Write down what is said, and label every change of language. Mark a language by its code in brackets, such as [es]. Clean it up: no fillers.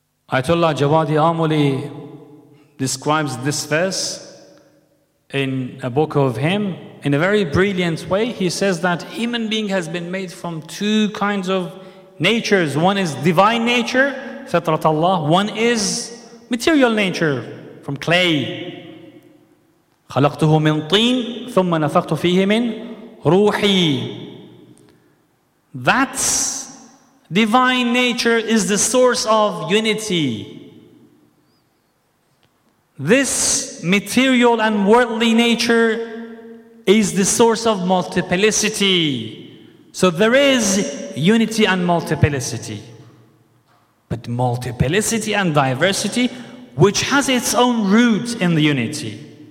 [en] Ayatollah Jawadi Amuli describes this verse in a book of him in a very brilliant way. He says that human being has been made from two kinds of natures. One is divine nature, fitrat Allah. One is material nature, from clay. [ar] خلقته من طين ثم نفخت فيه من روحي. [en] That's divine nature is the source of unity. This material and worldly nature is the source of multiplicity. So there is unity and multiplicity. But multiplicity and diversity, which has its own root in the unity.